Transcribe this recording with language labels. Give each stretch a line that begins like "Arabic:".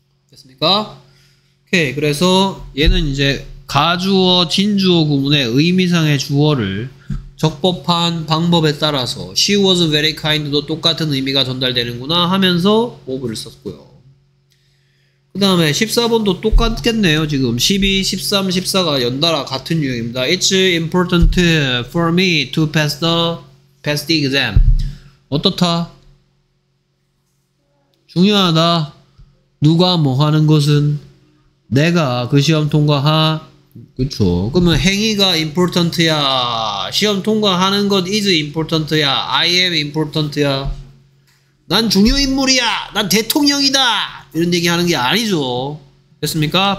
Korean: 됐습니까? 오케이. 그래서 얘는 이제 가주어, 진주어 구문의 의미상의 주어를 적법한 방법에 따라서 She was very kind도 똑같은 의미가 전달되는구나 하면서 of를 썼고요. 그 다음에 14번도 똑같겠네요. 지금 12, 13, 14가 연달아 같은 유형입니다.
English: It's important for me to pass the exam.
Korean: 어떻다? 중요하다. 누가 뭐 하는 것은 내가 그 시험 통과하. 그쵸. 그러면 행위가 important야. 시험 통과하는 것 is important야.
English: I am important야.
Korean: 난 중요 인물이야. 난 대통령이다. 이런 얘기 하는 게 아니죠. 됐습니까?